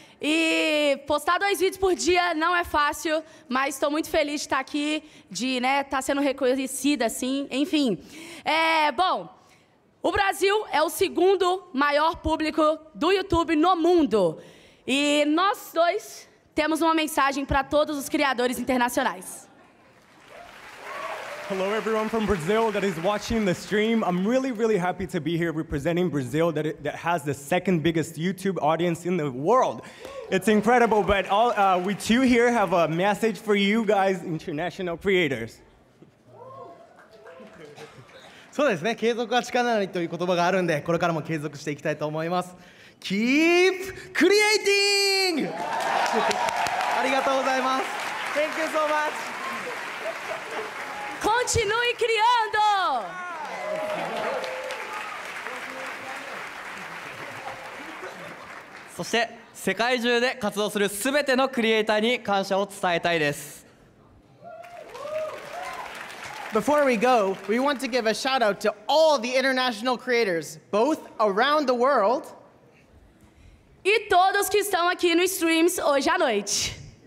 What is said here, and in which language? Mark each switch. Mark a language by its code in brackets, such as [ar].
[pt] E postar dois vídeos por dia não é fácil, mas estou muito feliz de estar aqui, de estar sendo reconhecida assim, enfim. Bom, o Brasil é o segundo maior público do YouTube no mundo. E nós dois temos uma mensagem para todos os criadores internacionais. [en] Hello everyone from Brazil that is watching the stream. I'm really, really happy to be here representing Brazil that has the second biggest YouTube audience in the world. It's incredible, but we two here have a message for you guys, international creators. [ja] So ですね、継続は力なりという言葉があるんで、これからも継続していきたいと思います。 [en] Keep creating! [ja] ありがとうございます。 [en] Thank you so much. [pt] Continue criando! [ja] そして世界中で活動するすべてのクリエイターに感謝を伝えたいです。 [en] Before we go, we want to give a shout out to all the international creators, both around the world. [pt] E todos que estão aqui no Streams hoje à noite.